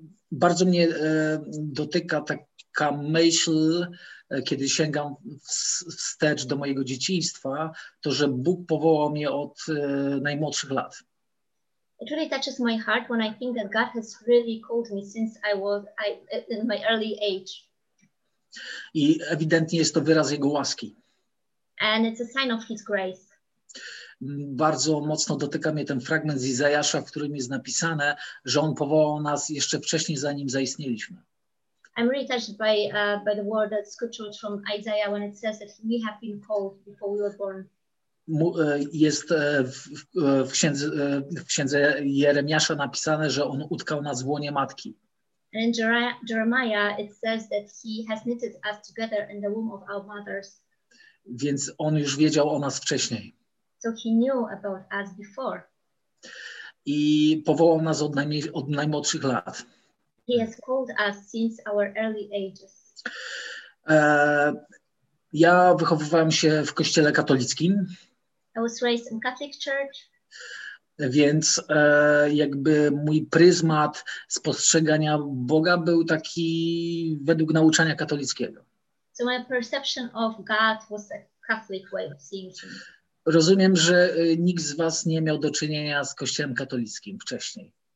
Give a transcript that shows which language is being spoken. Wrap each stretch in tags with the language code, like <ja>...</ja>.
<pl>Bardzo mnie dotyka taka myśl, kiedy sięgam wstecz do mojego dzieciństwa, to, że Bóg powołał mnie od najmłodszych lat.</pl> <en>It really touches my heart when I think that God has really called me since I was in my early age.</en> <pl>I ewidentnie jest to wyraz Jego łaski.</pl> <en>And it's a sign of his grace.</en> <pl>Bardzo mocno dotyka mnie ten fragment z Izajasza, w którym jest napisane, że on powołał nas jeszcze wcześniej, zanim zaistnieliśmy.</pl> <en>I'm really touched by the word that scripture from Isaiah when it says that we have been called before we were born.</en> <pl>Jest w księdze Jeremiasza napisane, że on utkał nas w łonie matki.</pl> <en>And in Jeremiah it says that he has knitted us together in the womb of our mothers.</en> <pl>Więc on już wiedział o nas wcześniej.</pl> <en>So he knew about us before.</en> <pl>I powołał nas od najmłodszych lat.</pl> <en>He has called us since our early ages.</en> <pl>Ja wychowywałem się w kościele katolickim.</pl> <en>I was raised in Catholic Church.</en> <pl>Więc jakby mój pryzmat spostrzegania Boga był taki według nauczania katolickiego.</pl> <en>So my perception of God was a Catholic way of seeing him.</en> <pl>Rozumiem, że nikt z was nie miał do czynienia z Kościołem katolickim wcześniej.</pl>